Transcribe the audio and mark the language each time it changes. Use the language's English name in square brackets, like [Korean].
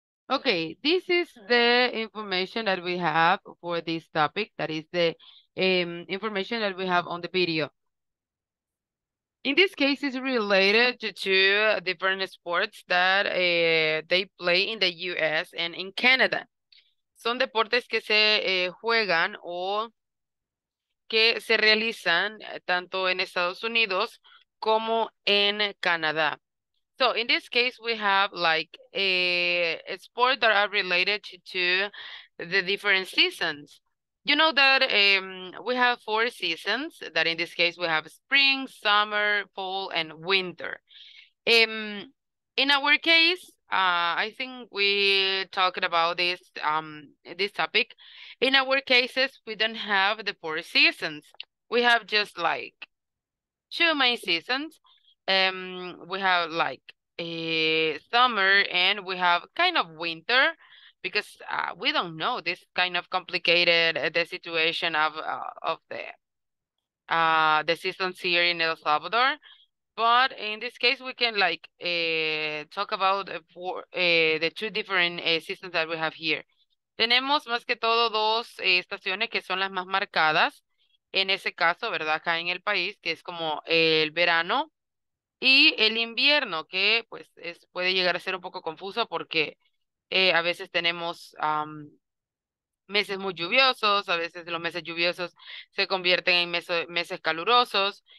[English] Okay, this is the information that we have for this topic. That is the information that we have on the video. In this case, it's related to two different sports that they play in the U.S. and in Canada. [Spanish] Son deportes que se juegan o que se realizan tanto en Estados Unidos como en Canadá. [English] So, in this case, we have like a sport that are related to the different seasons. You know that we have four seasons, that in this case we have spring, summer, fall, and winter. In our case, I think we talked about this this topic. In our cases, we don't have the four seasons. We have just like two main seasons. We have like a summer and we have kind of winter, because we don't know this kind of complicated the situation of the seasons here in El Salvador. But in this case, we can like talk about the two different seasons that we have here. [Spanish] Tenemos más que todo dos estaciones que son las más marcadas en ese caso, ¿verdad? Acá en el país, que es como el verano y el invierno, que pues es, puede llegar a ser un poco confuso porque a veces tenemos meses muy lluviosos, a veces los meses lluviosos se convierten en meses calurosos.